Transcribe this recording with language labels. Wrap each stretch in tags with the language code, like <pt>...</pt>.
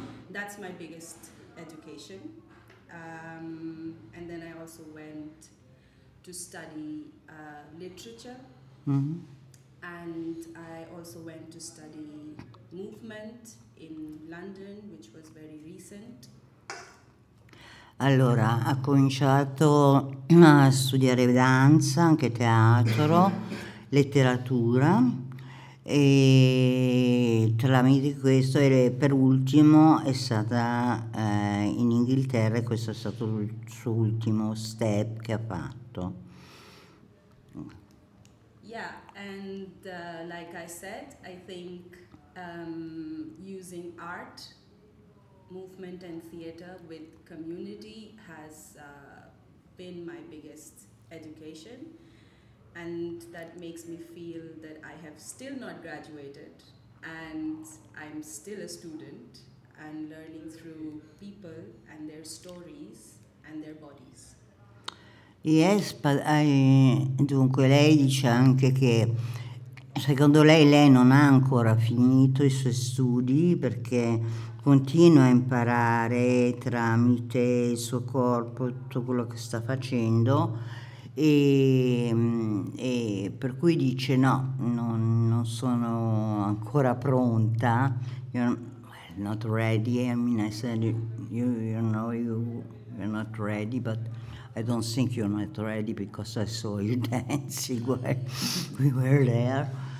<en>That's my biggest education. And then I also went to study literature. Mm-hmm. And I also went to study movement in London, which was very recent.</en> <it>Allora, ha cominciato a studiare danza, anche teatro. letteratura, e tramite questo, e per ultimo è stata in Inghilterra, e questo è stato il suo ultimo step che ha fatto.</it> <en>Yeah, and like I said, I think using art, movement and theater with community has been my biggest education. And that makes me feel that I have still not graduated, and I'm still a student and learning through people and their stories and their bodies. Yes, but</en> <it>dunque lei dice anche che secondo lei non ha ancora finito i suoi studi, perché continua a imparare tramite il suo corpo tutto quello che sta facendo. E per cui dice no, non sono ancora pronta.</it> <en>You're not ready. I mean, I said you're not ready, but I don't think you're not ready because I saw you dancing while we were there.</en>